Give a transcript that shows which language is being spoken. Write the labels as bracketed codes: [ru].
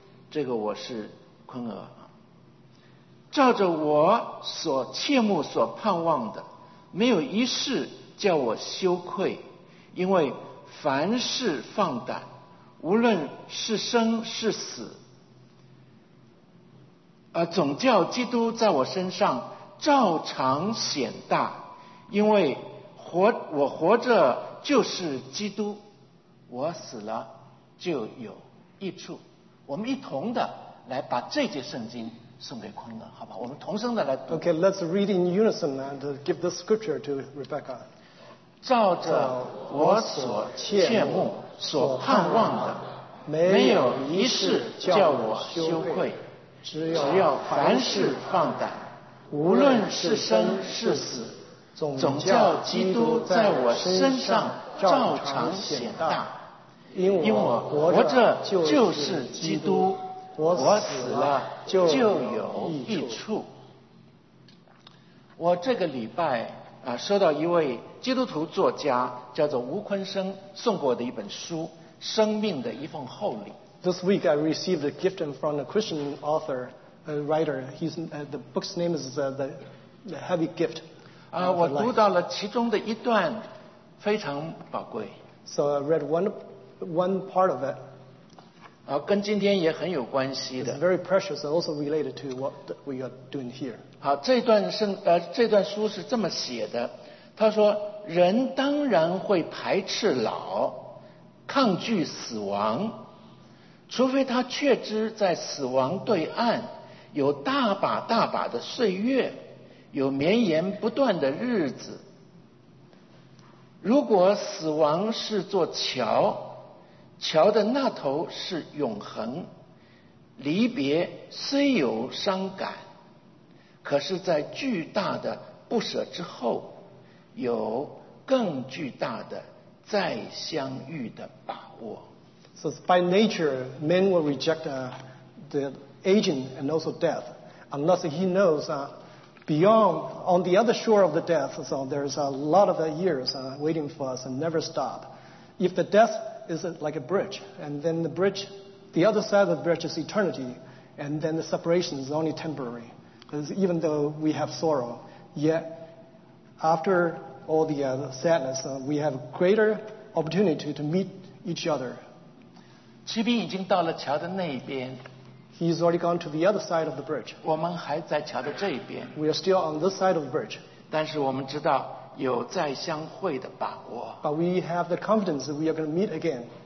[zh] 这个我是坤娥，照着我所切慕所盼望的，没有一事叫我羞愧，因为凡事放胆，无论是生是死，总叫基督在我身上照常显大，因为我活着就是基督，我死了就有益处。我们一同的来把这节圣经送给昆仑，好吧？我们同声的来读。 [en] Okay, let's read in unison and give the scripture to Rebecca. [zh] 照着我所切慕、所盼望的，没有一事叫我羞愧，只要凡事放胆，无论是生是死，总叫基督在我身上照常显大。因我活着就是基督，我死了就有益处。我这个礼拜收到一位基督徒作家叫做吴坤生送过的一本书《生命的一份厚礼》。 [en] This week I received a gift from a Christian author, a writer. He's, the book's name is the Heavy Gift. [zh] 我读到了其中的一段，非常宝贵。 [en] So I read one part of it. [zh] 跟今天也很有关系的。 [en] It's very precious, also related to what we are doing here. [zh] 好，这段书是这么写的。他说，人当然会排斥老，抗拒死亡，除非他确知在死亡对岸有大把大把的岁月，有绵延不断的日子。如果死亡是座桥，桥的那头是永恒，离别虽有伤感，可是在巨大的不舍之后，有更巨大的再相遇的把握。 [en] So by nature, men will reject the aging and also death, unless he knows beyond, on the other shore of the death, so there's a lot of years waiting for us and never stop. If the death is like a bridge, and then the bridge, the other side of the bridge is eternity, and then the separation is only temporary. Because even though we have sorrow, yet after all the sadness, we have greater opportunity to meet each other. [zh] 骑兵已经到了桥的那一边。 [en] He's already gone to the other side of the bridge. [zh] 我们还在桥的这一边。 [en] We are still on this side of the bridge. [zh] 但是我们知道有再相会的把握。 [en] But we have the confidence that we are going to meet again.